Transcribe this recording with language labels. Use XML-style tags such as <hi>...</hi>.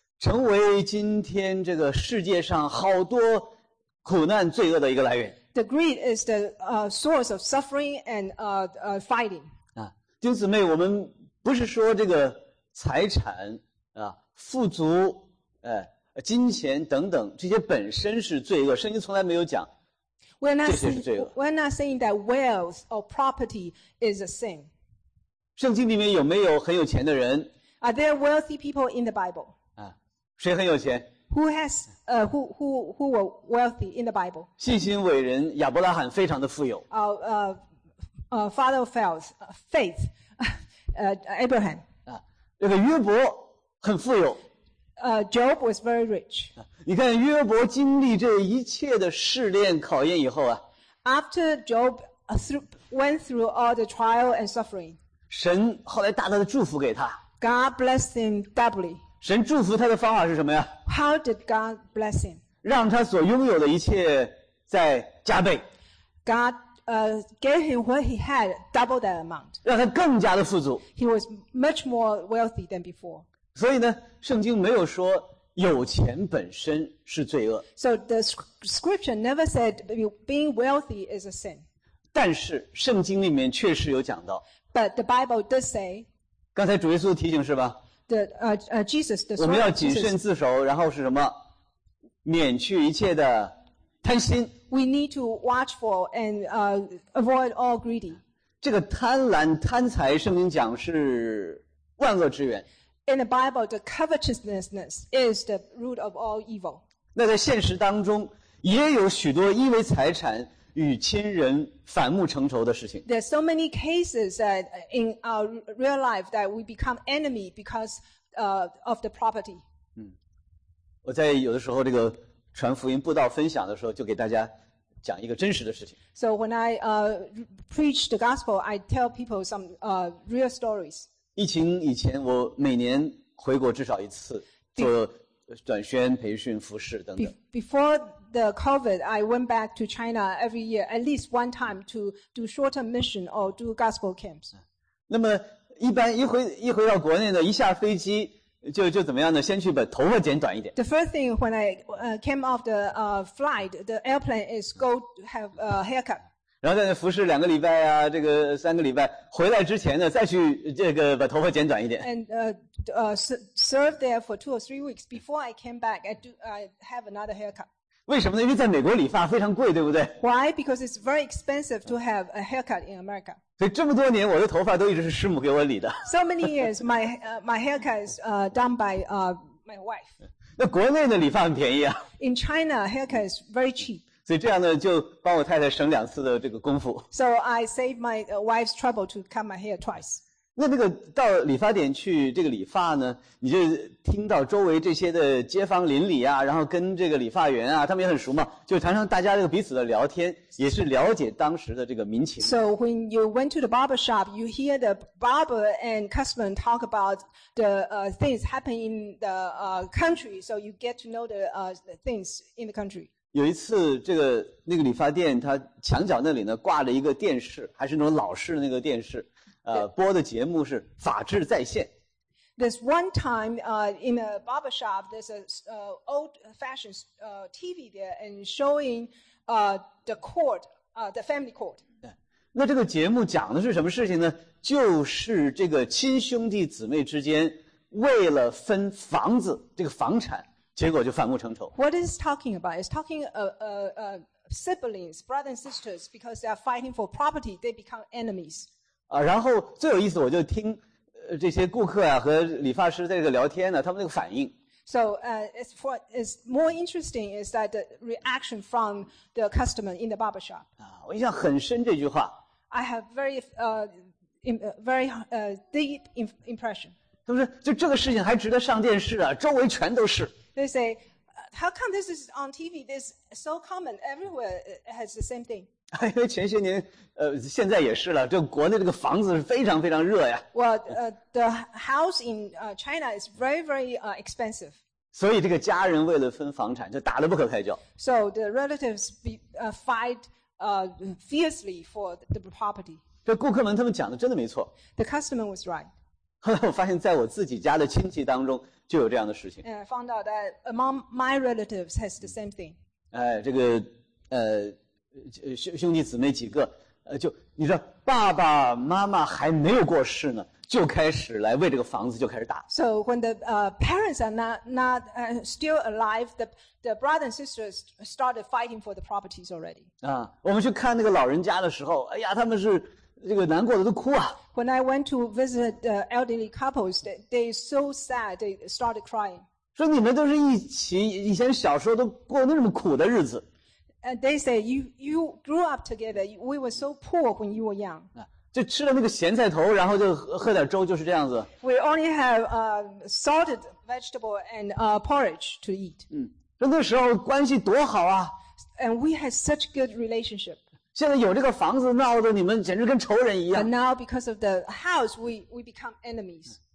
<zh>成为今天这个世界上好多苦难罪恶的一个来源。</zh> <en>The greed is the source of suffering and fighting.</en> <zh>弟兄姊妹，我们不是说这个财产啊、富足、金钱等等这些本身是罪恶，圣经从来没有讲这些是罪恶。</zh> <en>We're not saying that wealth or property is a sin.</en> <zh>圣经里面有没有很有钱的人</zh> <en>？Are there wealthy people in the Bible？</en> <zh>谁很有钱</zh> <en>？Who were wealthy in the Bible？</en> <zh>信心伟人亚伯拉罕非常的富有。</zh> <en>Father of faith。 Abraham.</en> <zh>这个约伯很富有。</zh> <en>Job was very rich.</en> <zh>你看约伯经历这一切的试炼考验以后啊。</zh> <en>After Job went through all the trial and suffering.</en> <zh>神后来大大的祝福给他。</zh> <en>God blessed him doubly.</en> <zh>神祝福他的方法是什么呀</zh> <en>？How did God bless him?</en> <zh>让他所拥有的一切再加倍。</zh> <en>God gave him what he had, double that amount.</en> <zh>让他更加的富足。</zh> <en>He was much more wealthy than before.</en> <zh>所以呢，圣经没有说有钱本身是罪恶。</zh> <en>So the scripture never said being wealthy is a sin.</en> <zh>但是圣经里面确实有讲到。</zh> <en>But the Bible does say.</en> <zh>刚才主耶稣提醒是吧</zh> <en>？Jesus, the</en> <zh>我们要谨慎自守，然后是什么？免去一切的贪心。</zh> <en>We need to watch for and avoid all greedy.</en> <zh>这个贪婪、贪财，圣经讲是万恶之源。</zh> <en>In the Bible, the covetousness is the root of all evil.</en> <zh>那在现实当中，也有许多因为财产与亲人反目成仇的事情。</zh> <en>There are so many cases that in our real life that we become enemy because of the property.</en> <zh>我在有的时候这个传福音布道分享的时候，就给大家讲一个真实的事情。</zh> <en>So when I preach the gospel, I tell people some real stories.</en> <zh>疫情以前，我每年回国至少一次做短宣、培训、服事等等。</zh> <en>Before the COVID, I went back to China every year at least one time to do short-term mission or do gospel camps.</en> <zh>那么一般一回到国内呢，一下飞机就怎么样呢？先去把头发剪短一点。</zh> <en>The first thing when I came off the flight, the airplane is go have a haircut.</en> <zh>然后在服侍两个礼拜啊，这个三个礼拜，回来之前呢，再去这个把头发剪短一点。</zh> <en>And serve there for two or three weeks before I came back. I have another haircut.</en> <zh>为什么呢？因为在美国理发非常贵，对不对</zh> <en>？Why? Because it's very expensive to have a haircut in America.</en> <zh>所以这么多年，我的头发都一直是师母给我理的。</zh> <en>So many years, my haircut is done by my wife.</en> <zh>那国内的理发很便宜啊。</zh> <en>In China, haircut is very cheap.</en> <zh>所以这样呢，就帮我太太省两次的这个功夫。</zh> <en>So I save my wife's trouble to cut my hair twice.</en> <zh>那个到理发店去这个理发呢，你就听到周围这些的街坊邻里啊，然后跟这个理发员啊，他们也很熟嘛，就常常大家这个彼此的聊天，也是了解当时的这个民情。</zh> <en>So when you went to the barber shop, you hear the barber and customer talk about the things happening in the country, so you get to know the things in the country.</en> <zh>有一次那个理发店它墙角那里呢挂着一个电视，还是那种老式的那个电视，播的节目是法治在线。</zh> <en>There's one time, in a barber shop, there's a old-fashioned TV there and showing the court, the family court.</en> <zh>那这个节目讲的是什么事情呢？就是这个亲兄弟姊妹之间为了分房子这个房产。结果就反目成仇。</zh> <en>What is talking about? It's talking siblings, brothers and sisters, because they are fighting for property, they become enemies.</en> <zh>然后最有意思，我就听这些顾客啊和理发师在这个聊天呢，他们那个反应。</zh> <en>So it's more interesting is that the reaction from the customer in the barber shop.</en> <zh>我印象很深这句话。</zh> <en>I have very very deep impression.</en> <zh>他们说，就这个事情还值得上电视啊？周围全都是。</zh> <en>They say, how come this is on TV? This is so common everywhere. It has the same thing.</en> <zh>因为前些年，现在也是了。就国内这个房子是非常非常热呀。</zh> <en>Well, the house in China is very, very expensive.</en> <zh>所以这个家人为了分房产就打得不可开交。</zh> <en>So the relatives fight fiercely for the property.</en> <zh>这顾客们他们讲的真的没错。</zh> <en>The customer was right.</en> <zh>后来我发现，在我自己家的亲戚当中。就有这样的事情。</zh> <en>And I found out that among my relatives has the same thing.</en> <zh>这个兄弟姊妹几个，就你知道，爸爸妈妈还没有过世呢，就开始来为这个房子就开始打。</zh> <en>So when the parents are not still alive, the brothers and sisters started fighting for the properties already.</en> <zh>我们去看那个老人家的时候，哎呀，他们是。这个难过的都哭啊。</zh> <en>When I went to visit the elderly couples, they so sad, they started crying.</en> <zh>说你们都是一起以前小时候都过那么苦的日子。</zh> <en>And they say, you grew up together, we were so poor when you were young.</en> <zh>就吃了那个咸菜头然后就喝点粥就是这样子。</zh> <en>We only have salted vegetable and porridge to eat.</en> <zh>说那时候关系多好啊。</zh> <en>And we had such good relationship.</en> <zh>现在有这个房子闹得你们简直跟仇人一样。</zh> <en>But now because of the house, we become enemies.</en>